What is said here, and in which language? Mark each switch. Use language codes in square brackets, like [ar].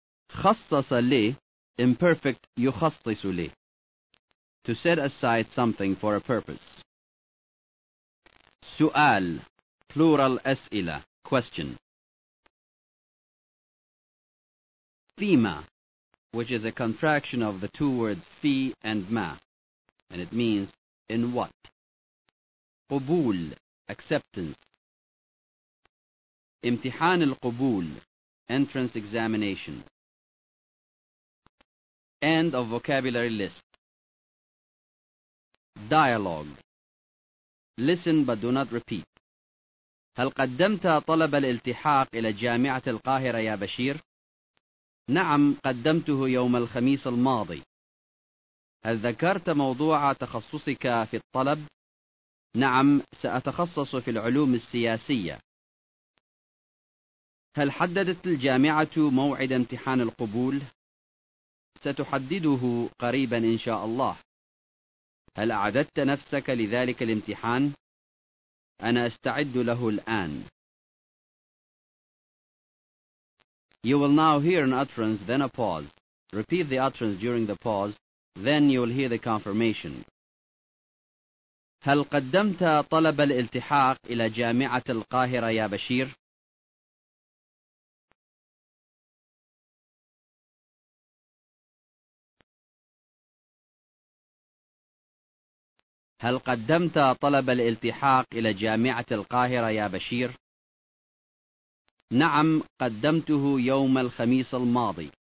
[ar] خَصَّصَ لِي, imperfect يُخَصِّصُ لِي. [en] To set aside something for a purpose. [ar] سُؤَال, plural أسئلة, question. [en] ثِيمَ, which is a contraction of the two words فِي and مَا, and it means in what. [ar] قُبُول, acceptance. امتحان القبول, entrance examination. [en] End of vocabulary list. Dialogue. Listen but do not repeat. [ar] هل قدمت طلب الالتحاق إلى جامعة القاهرة يا بشير؟ نعم قدمته يوم الخميس الماضي. هل ذكرت موضوع تخصصك في الطلب؟ نعم سأتخصص في العلوم السياسية. هل حددت الجامعة موعد امتحان القبول؟ ستحدده قريبا إن شاء الله. هل أعددت نفسك لذلك الامتحان؟ أنا أستعد له الآن. [en] You will now hear an utterance, then a pause. Repeat the utterance during the pause, then you will hear the confirmation. [ar] هل قدمت طلب الالتحاق إلى جامعة القاهرة يا بشير؟ هل قدمت طلب الالتحاق إلى جامعة القاهرة يا بشير؟ نعم قدمته يوم الخميس الماضي.